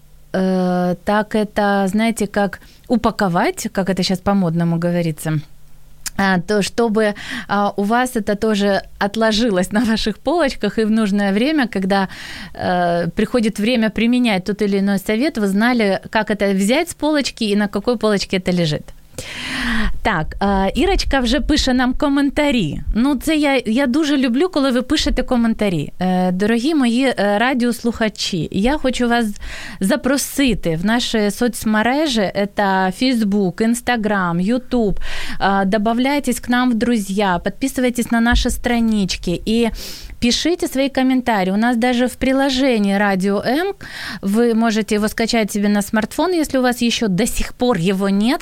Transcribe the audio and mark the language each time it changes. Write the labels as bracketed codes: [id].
[ru] так это, знаете, как упаковать, как это сейчас по-модному говорится, то чтобы у вас это тоже отложилось на ваших полочках, и в нужное время, когда приходит время применять тот или иной совет, вы знали, как это взять с полочки и на какой полочке это лежит. [uk] Так, Ірочка вже пише нам коментарі. Ну, це я дуже люблю, коли ви пишете коментарі. Дорогі мої радіослухачі, я хочу вас запросити в наші соцмережі, це Facebook, Instagram, YouTube. [ru] Добавляйтесь к нам в друзья, [uk] підписуйтесь на наші [ru] странички і пишите свои комментарии. У нас даже в приложении «Радио М» вы можете его скачать себе на смартфон, если у вас еще до сих пор его нет.